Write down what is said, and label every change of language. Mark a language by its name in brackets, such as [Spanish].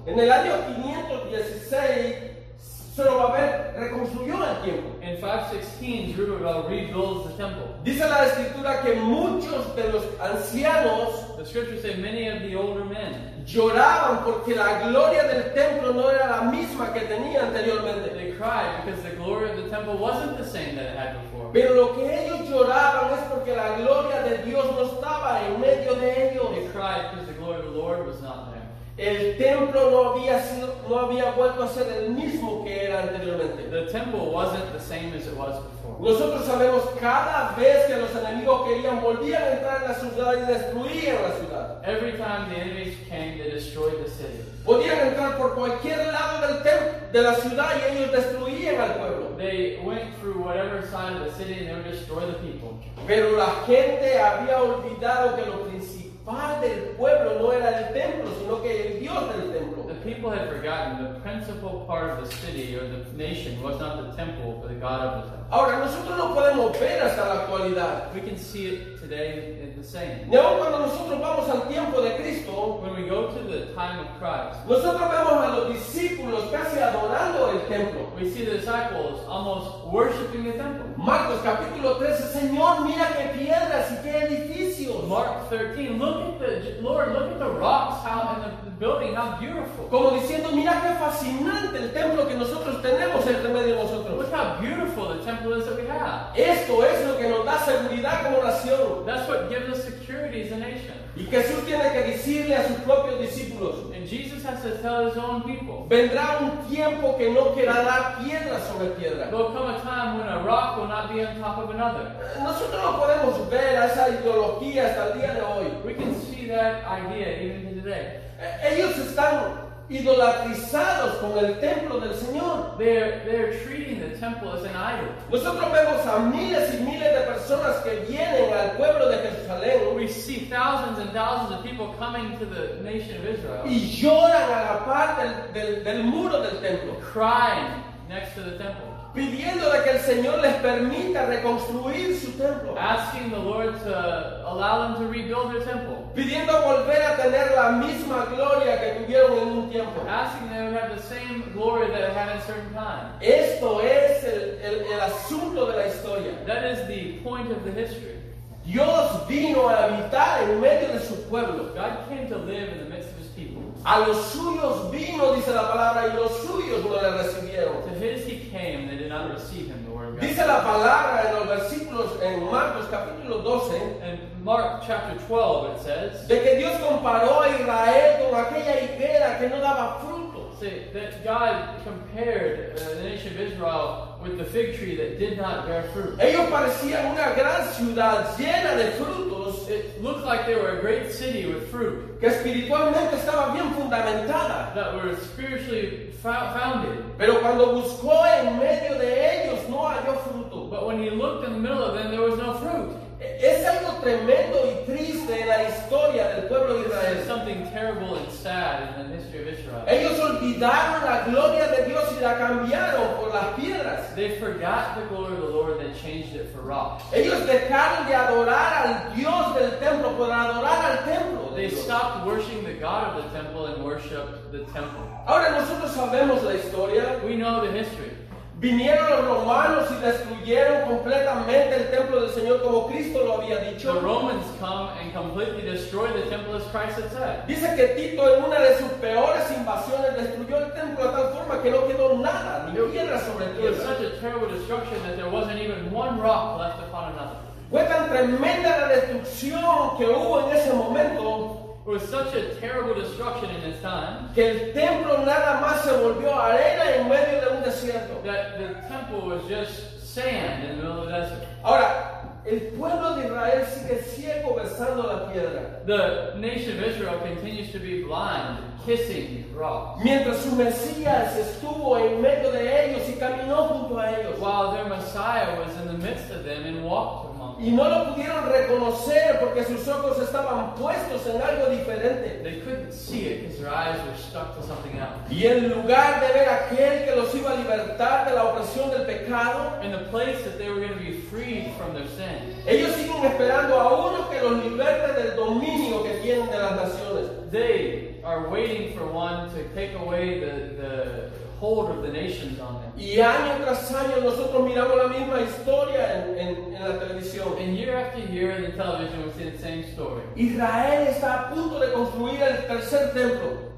[Spanish] En el año 516, Zerubbabel reconstruyó el templo. [English] In 516, Zerubbabel rebuilds the temple. [Spanish] Dice la escritura que muchos de los ancianos [English] The scriptures say many of the older men [Spanish] lloraban porque la gloria del templo no era la misma que tenía anteriormente. [English] They cried because the glory of the temple wasn't the same that it had before. [Spanish] Pero lo que ellos lloraban es porque la gloria de Dios no estaba en medio de ellos. [English] They cried because the glory of the Lord was not there. [Spanish] El templo no había vuelto a ser el mismo que era anteriormente. [English] The temple wasn't the same as it was before. [Spanish] Nosotros sabemos cada vez que los enemigos querían volvían a entrar en la ciudad y destruían la ciudad. [English] Every time the enemies came, they destroyed the city. [Spanish] Podían entrar por cualquier lado del de la ciudad y ellos destruían al pueblo. [English] They went through whatever side of the city and they would destroy the people. [Spanish] Pero la gente había olvidado que lo principal del pueblo no era el templo, sino que el Dios del templo. [English] The people had forgotten the principal part of the city or the nation was not the temple, but the God of the temple. [Spanish] Ahora nosotros lo podemos ver hasta la actualidad. [English] We can see it today in the same. [Spanish] Y aún cuando nosotros vamos al tiempo de Cristo, [English] when we go to the time of Christ, [Spanish] nosotros vemos a los discípulos casi adorando el templo. [English] We see the disciples almost worshiping the temple. [Spanish] Marcos capítulo 13, Señor, mira qué piedras y qué edificios. [English] Mark 13, look at the rocks, how and the building, how beautiful. [Spanish] Como diciendo, mira qué fascinante el templo que nosotros tenemos entre medio de nosotros. [English] Look how beautiful the temple is that we have. [Spanish] Esto es lo que nos da seguridad como nación. [English] That's what gives us security as a nation. [Spanish] Y Jesús tiene que decirle a sus propios discípulos. [English] And Jesus has to tell his own people. [Spanish] Vendrá un tiempo que no quedará piedra sobre piedra. [English] There will come a time when a rock will not be on top of another. [Spanish] Nosotros no podemos ver esa ideología hasta el día de hoy. [English] We can see that idea even today. [Spanish] Ellos están idolatrizados con el templo del Señor. [English] They're treating the temple as an idol. [Spanish] Nosotros vemos a miles y miles de personas que vienen al pueblo de Jerusalén. [English] We see thousands and thousands of people coming to the nation of Israel. [Spanish] Y lloran a la par del muro del templo. [English] Crying next to the temple. [Spanish] Pidiéndole que el Señor les permita reconstruir su templo. [English] Asking the Lord to allow them to rebuild their temple. [Spanish] Pidiendo volver a tener la misma gloria que tuvieron en un tiempo. [English] Asking them to have the same glory that it had at a certain time. [Spanish] Esto es el asunto de la historia. [English] That is the point of the history. [Spanish] Dios vino a habitar en medio de su pueblo. [English] God came to live in the midst of his people. [Spanish] A los suyos vino, dice la palabra, y los suyos no le recibieron. [English] To his he came, they did not receive him, the word of God. [Spanish] Dice la palabra en los versículos en Marcos capítulo 12. [English] In Mark chapter 12 it says. [Spanish] De que Dios comparó a Israel con aquella higuera que no daba fruto. [English] See, that God compared the nation of Israel with the fig tree that did not bear fruit. [Spanish] Ellos parecían una gran ciudad llena de frutos. [English] It looked like they were a great city with fruit. [Spanish] Que espiritualmente estaba bien fundamentada. [English] That were spiritually founded. [Spanish] Pero cuando buscó en medio de ellos, no halló fruto. [English] But when he looked in the middle of them, there was no fruit. [Spanish] Es algo tremendo y triste en la historia del pueblo de Israel. [English] This is something terrible and sad in the history of Israel. [Spanish] Ellos olvidaron la gloria de Dios y la cambiaron por las piedras. [English] They forgot the glory of the Lord and they changed it for rocks. [Spanish] Ellos dejaron de adorar al Dios del templo por adorar al templo. [English] They stopped worshiping the God of the temple and worshiped the temple. [Spanish] Ahora nosotros sabemos la historia. [English] We know the history. [Spanish] Vinieron los romanos y destruyeron completamente el templo del Señor como Cristo lo había dicho. [English] The Romans come and completely destroy the temple as Christ had said. [Spanish] Dice que Tito en una de sus peores invasiones destruyó el templo de tal forma que no quedó nada, ni piedra sobre tierra. [English] It was such a terrible destruction that there wasn't even one rock left upon another. [Spanish] Fue tan tremenda la destrucción que hubo en ese momento. [English] It was such a terrible destruction in his time. [Spanish] Que el templo nada más se volvió arena en medio de un desierto. [English] That the temple was just sand in the middle of the desert. [Spanish] Ahora, el pueblo de Israel sigue ciego besando la piedra. [English] The nation of Israel continues to be blind, kissing rocks. [Spanish] Mientras su Mesías estuvo en medio de ellos y caminó junto a ellos. [English] While their Messiah was in the midst of them and walked among them. [Spanish] Y no lo pudieron reconocer porque sus ojos estaban puestos en algo diferente. [English] They couldn't see it because their eyes were stuck to something else. [Spanish] Y en lugar de ver aquel que los iba a libertar de la opresión del pecado. [English] In the place that they were going to be freed from their sin. [Spanish] Ellos siguen esperando a uno que los liberte del dominio que tienen de las naciones. [English] They are waiting for one to take away the hold of the nations on them. [Spanish] Y año tras año nosotros miramos la misma historia en la televisión. [English] And year after year in the television we see the same story. [Spanish] Israel está a punto de construir el tercer templo.